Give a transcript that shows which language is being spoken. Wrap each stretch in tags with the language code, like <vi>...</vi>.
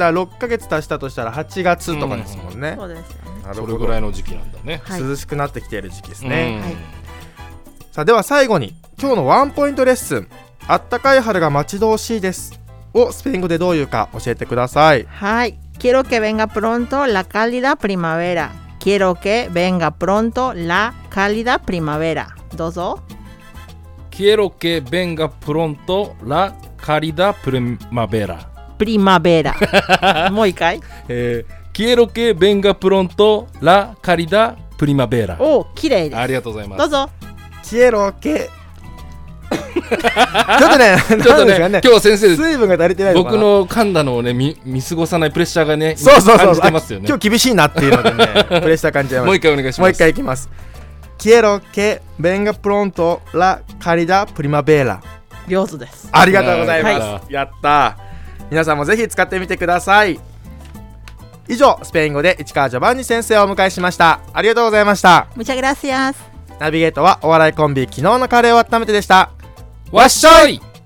<ja>だから6ヶ月足したとしたら8月とかですもんね、うん、そうですよね。それぐらいの時期なんだね、はい、涼しくなってきている時期ですね、うん、さあでは最後に今日のワンポイントレッスン、あったかい春が待ち遠しいですをスペイン語でどういうか教えてください。</ja> <es>はい、 Quiero que venga pronto la cálida primavera. Quiero que venga pronto la cálida primavera.</es> <ja>どうぞ。</ja> <es>Quiero que venga pronto la cálida primavera.</es> <ja>Primavera. もう一回、</ja> <es>Quiero que venga pronto la cálida primavera.</es> <ja>おー、綺麗です。ありがとうございます。どうぞ。</ja> <es>Quiero que</es> <ja>ちょっとね、ちょっとね、今日先生水分が足りてないのかな。僕の噛んだのをね、見過ごさないプレッシャーがね、そうそうそう、感じてますよね。今日厳しいなっていうのでね、プレッシャー感じます。もう一回お願いします。もう一回いきます。</ja> <es>Quiero que venga pronto la cálida primavera。</es> <ja>上手です。ありがとうございます。やった。皆さんもぜひ使ってみてください。以上、スペイン語で市川ジョバンニ先生をお迎えしました。ありがとうございました。</ja> <es>Muchas gracias。</es> <ja>ナビゲートはお笑いコンビ昨日のカレーを温めてでした。わっしょい。</ja>